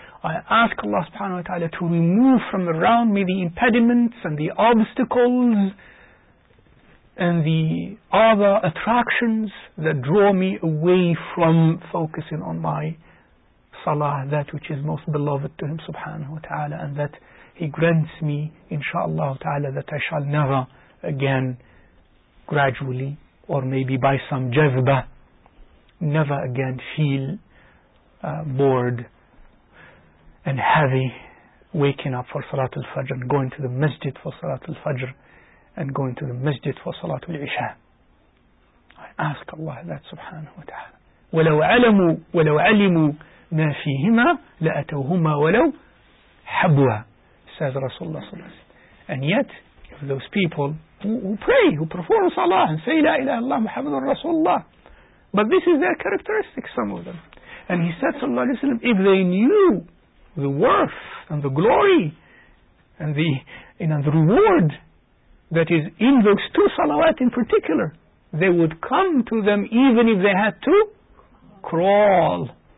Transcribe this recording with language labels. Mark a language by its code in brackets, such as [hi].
[en] I ask Allah subhanahu wa ta'ala to remove from around me the impediments and the obstacles and the other attractions that draw me away from focusing on my salah, that which is most beloved to Him subhanahu wa ta'ala, and that He grants me, inshaAllah ta'ala, that I shall never again, gradually or maybe by some jazbah, never again feel bored and heavy waking up for Salatul Fajr and going to the masjid for Salatul Fajr and going to the masjid for Salatul Isha. I ask Allah that subhanahu wa ta'ala. [ar] وَلَوْ عَلِمُوا مَا فِيهِمَا لَأَتَوْهُمَا وَلَوْ حَبْوَا, says Rasulullah sallallahu alayhi wa sallam. [en] And yet, if those people who pray, who perform salah and say, [ar] لا إله الله محمد رسول الله, [en] but this is their characteristic, some of them. And he said, sallallahu alayhi wa sallam, if they knew the worth and the glory and the reward that is in those two salawat in particular, they would come to them even if they had to crawl.